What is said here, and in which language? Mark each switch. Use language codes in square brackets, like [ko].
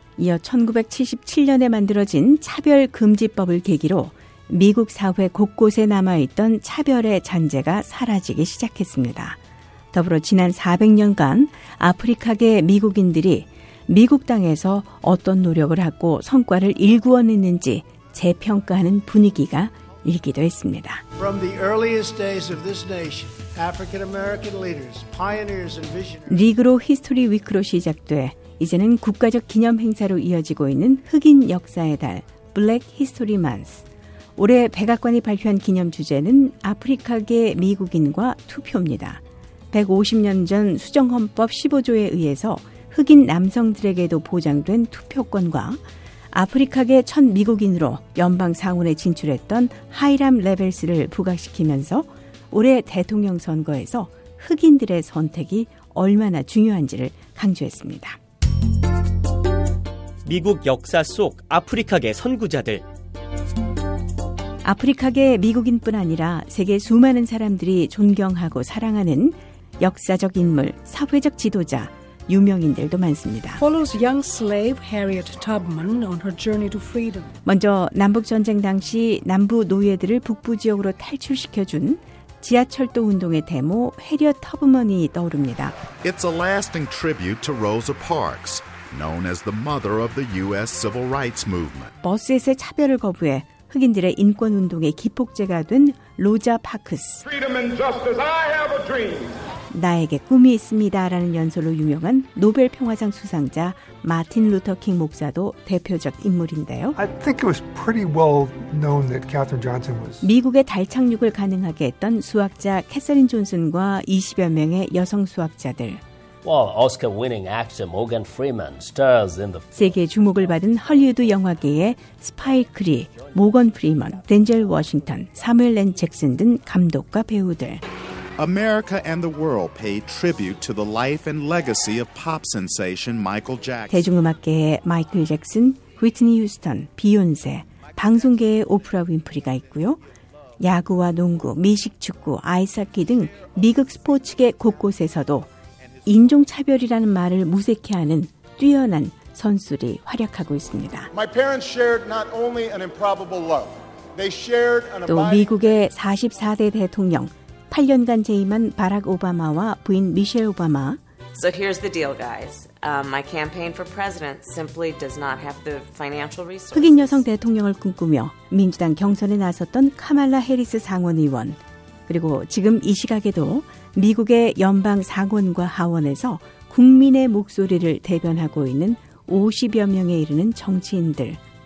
[ko] 이어 1977년에 만들어진 차별금지법을 계기로 미국 사회 곳곳에 남아있던 차별의 잔재가 사라지기 시작했습니다. 더불어 지난 400년간 아프리카계 미국인들이 미국 땅에서 어떤 노력을 하고 성과를 일구어냈는지 재평가하는 분위기가 일기도 했습니다. [en] From the earliest days of this nation, African-American leaders, pioneers and visionaries. [ko] 니그로 히스토리 위크로 시작돼 이제는 국가적 기념 행사로 이어지고 있는 흑인 역사의 달, Black History Month. 올해 백악관이 발표한 기념 주제는 아프리카계 미국인과 투표입니다. 150년 전 수정헌법 15조에 의해서 흑인 남성들에게도 보장된 투표권과 아프리카계 첫 미국인으로 연방 상원에 진출했던 하이람 레벨스를 부각시키면서 올해 대통령 선거에서 흑인들의 선택이 얼마나 중요한지를 강조했습니다. 미국 역사 속 아프리카계 선구자들. 아프리카계 미국인뿐 아니라 세계 수많은 사람들이 존경하고 사랑하는 역사적 인물, 사회적 지도자, 유명인들도 많습니다. [en] Follows young slave Harriet Tubman on her journey to freedom. [ko] 먼저 남북전쟁 당시 남부 노예들을 북부지역으로 탈출시켜준 지하철도 운동의 대모 해리엇 터브먼이 떠오릅니다. [en] It's a lasting tribute to Rosa Parks, known as the mother of the U.S. civil rights movement. [ko] 버스에서의 차별을 거부해 흑인들의 인권운동의 기폭제가 된 로자 파크스. [en] Freedom and justice, I have a dream. [ko] 나에게 꿈이 있습니다라는 연설로 유명한 노벨 평화상 수상자 마틴 루터 킹 목사도 대표적 인물인데요. [en] I think it was pretty well known that Katherine Johnson was [ko] 미국의 달 착륙을 가능하게 했던 수학자 캐서린 존슨과 20여 명의 여성 수학자들. [en] Well, Oscar-winning actor Morgan Freeman stars in the [ko] 세계 주목을 받은 할리우드 영화계의 스파이크 리, 모건 프리먼, 덴젤 워싱턴, 사무엘 렌 잭슨 등 감독과 배우들. [en] America and the world pay tribute to the life and legacy of pop sensation Michael Jackson. [ko] 대중음악계의 마이클 잭슨, 휘트니 휴스턴, 비욘세, 방송계의 오프라 윈프리가 있고요. 야구와 농구, 미식축구, 아이스하키 등 미국 스포츠계 곳곳에서도 인종차별이라는 말을 무색해하는 뛰어난 선수들이 활약하고 있습니다. [en] My parents shared not only an improbable love, they shared an [ko] 또 미국의 44대 대통령, 8년간 재임한 바락 오바마와 부인 미셸 오바마. [en] So here's the deal, guys. My campaign for president simply does not have the financial resources. [ko] 흑인 여성 대통령을 꿈꾸며 민주당 경선에 나섰던 카말라 해리스 상원의원. 그리고 지금 이 시각에도 미국의 연방 상원과 하원에서 국민의 목소리를 대변하고 있는 50여 명에 이르는 정치인들.